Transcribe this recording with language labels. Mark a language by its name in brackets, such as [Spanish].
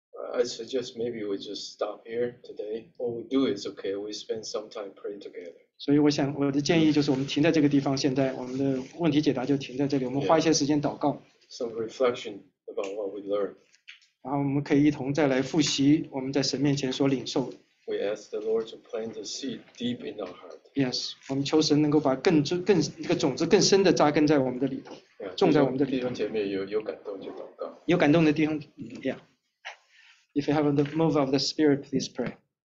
[English] I suggest maybe we just stop here today. What we do is okay. We spend some time praying together. [Chinese] 所以我想我的建议就是我们停在这个地方。现在我们的问题解答就停在这里。我们花一些时间祷告。 [English] Some reflection about what we learned. [Chinese] 然后我们可以一同再来复习我们在神面前所领受的。 [English] We ask the Lord to plant the seed deep in our heart. [Chinese] Yes, 我们求神能够把这个种子更深的扎根在我们的里头， yeah, 种在我们的里头。弟兄姐妹有感动就祷告。有感动的弟兄， [English] yeah. If you have the move of the Spirit, please pray.